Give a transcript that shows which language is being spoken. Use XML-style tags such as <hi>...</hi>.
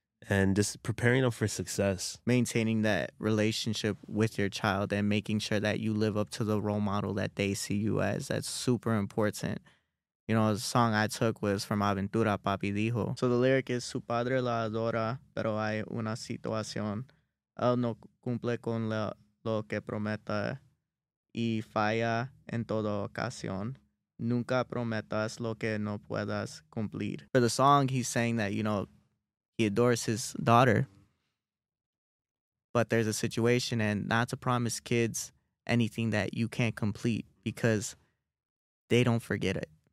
<en>And just preparing them for success. Maintaining that relationship with your child and making sure that you live up to the role model that they see you as. That's super important. You know, a song I took was from Aventura, Papi Dijo. So the lyric is,</en> <es>su padre la adora, pero hay una situación. Él no cumple con lo que prometa y falla en toda ocasión. Nunca prometas lo que no puedas cumplir.</es> <en>For the song, he's saying that, you know, he adores his daughter, but there's a situation, and not to promise kids anything that you can't complete because they don't forget it.</en>